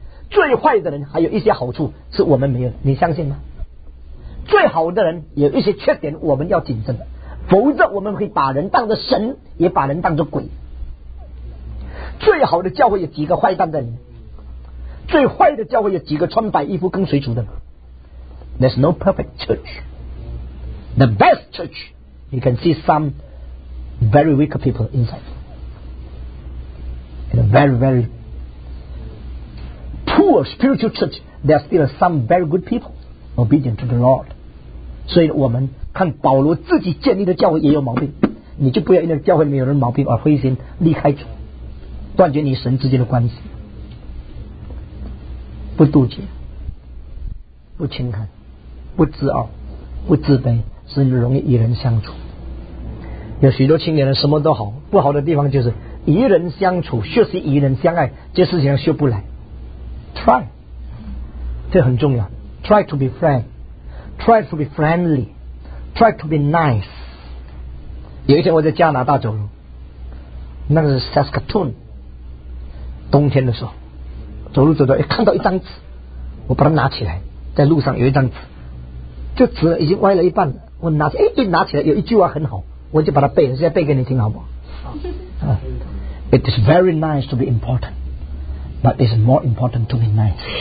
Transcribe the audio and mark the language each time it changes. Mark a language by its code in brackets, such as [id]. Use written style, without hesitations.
[zh] 最坏的人还有一些好处是我们没有，你相信吗？最好的人有一些缺点，我们要谨慎的，否则我们会把人当作神，也把人当作鬼。最好的教会有几个坏蛋的人，最坏的教会有几个穿白衣服跟随主的。 [en] There's no perfect church. The best church, you can see some very weak people inside, in a very very poor spiritual church, there are still some very good people obedient to the Lord. [zh] 所以我们看保罗自己建立的教会也有毛病，你就不要因为教会里面有人毛病而灰心离开主，断绝你神之间的关系，不妒忌，不轻看，不自傲，不自卑，使你容易与人相处。有许多青年人什么都好，不好的地方就是与人相处，学习与人相爱，这事情上学不来。 Try, 这很重要。 [en] Try to be frank, try to be friendly, try to be nice. [zh] 有一天我在加拿大走路，那个是 Saskatoon，冬天的时候走路走到，看到一张纸，我把它拿起来，在路上有一张纸，这纸已经歪了一半了，我拿起来，一拿起来有一句话很好，我就把它背了，现在背给你听好不好？ [en] It is very nice to be important, but it's more important to be nice.